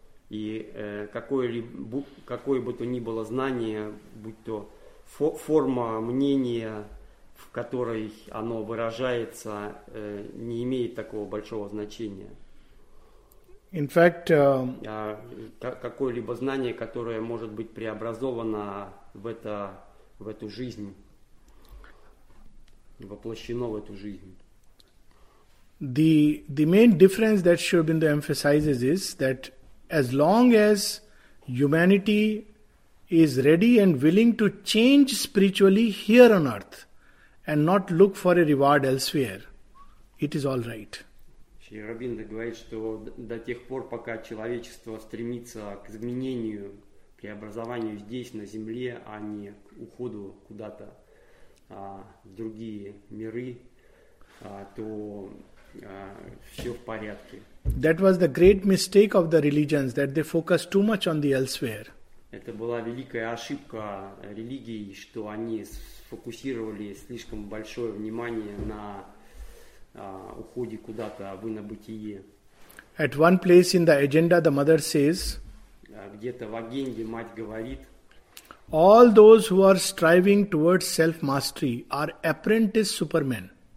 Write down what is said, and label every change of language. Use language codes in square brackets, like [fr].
[ru] И какое бы то ни было знание, будь то форма мнения, в которой оно выражается, не имеет такого большого значения. [en] In fact, [ru] какое-либо знание, которое может быть преобразовано в эту жизнь, воплощено в эту жизнь. [en] The main difference that Aurobindo emphasizes is that as long as humanity is ready and willing to change spiritually here on earth and not look for a reward elsewhere, it is all right. [ru] Шри Рабиндра говорит, что до тех пор, пока человечество стремится к изменению, преобразованию здесь, на Земле, а не к уходу куда-то в другие миры, то все в порядке. [en] That was the great mistake of the religions, that they focused too much on the elsewhere. [ru] Это была великая ошибка религий, что они сфокусировали слишком большое внимание на уходе куда-то, а вы на бытие. [en] At one place in the agenda, the mother says, [ru] где-то в агенде мать говорит, [en] all those who are striving towards self-mastery are apprentice supermen.